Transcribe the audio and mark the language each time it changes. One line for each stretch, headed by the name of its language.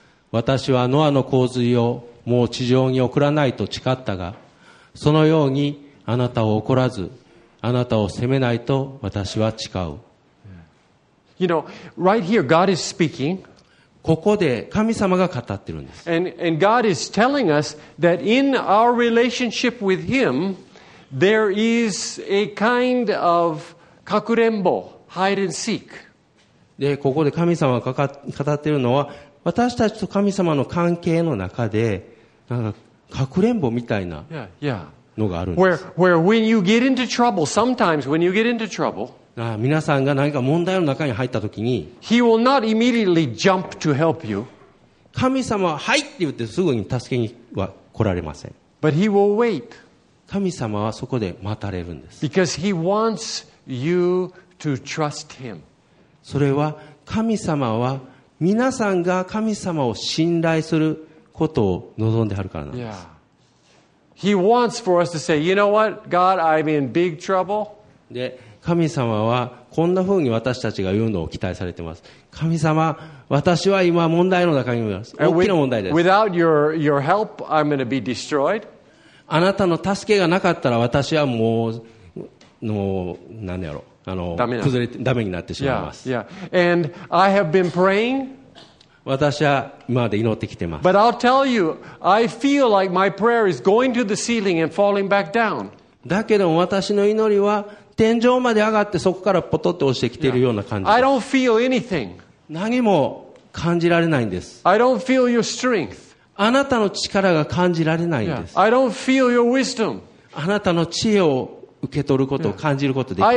Japanese: 私はノアの洪水をもう地上に送らないと誓ったが、そのようにあなたを怒らず、あなたを責めないと私は誓う。
English: You know, right here, God is speaking.
Japanese: ここで神様が語っているんです。
English: And God is telling us that in our relationship with Him, there is a kind of かくれんぼ、hide and seek.
Japanese: で、ここで神様が語っているのは、私たちと神様の関係の中で、なんか、かくれんぼみたいなのがあるんです。
English: Where when you get into trouble, sometimes when you get into trouble,
Japanese: 皆さんが何か問題の中に入ったときに、
English: He will not immediately jump to help you.
Japanese: 神様は、はいって言ってすぐに助けには来られません。
English: But He will wait.
Japanese: 神様はそこで待たれるんです。
English: Because He wants you to trust Him.
Japanese: それは、神様は、皆さんが神様を信頼することを望んではるからなんです。
English: Yeah. He wants for us to say, you know what, God, I'm in big trouble.
Japanese: で、神様はこんな風に私たちが言うのを期待されています。神様、私は今問題の中にいます。大きな問題です。
English: Without your help, I'm going to be destroyed.
Japanese: あなたの助けがなかったら私はもう何やろう。ダメになってしまいます。
English: And I have been praying.
Japanese: 私は今まで祈ってきてます。
English: But I'll tell you, I feel like my prayer is going to the ceiling and falling back down.
Japanese: だけど私の祈りは天井まで上がってそこからポトッと落ちてきているような感じです。
English: I don't feel anything.
Japanese: 何も感じられないんです。
English: I don't feel your strength.
Japanese: あなたの力が感じられないんです。
English: I don't feel your wisdom.
Japanese: あなたの知恵を受け取ることを感じることできない。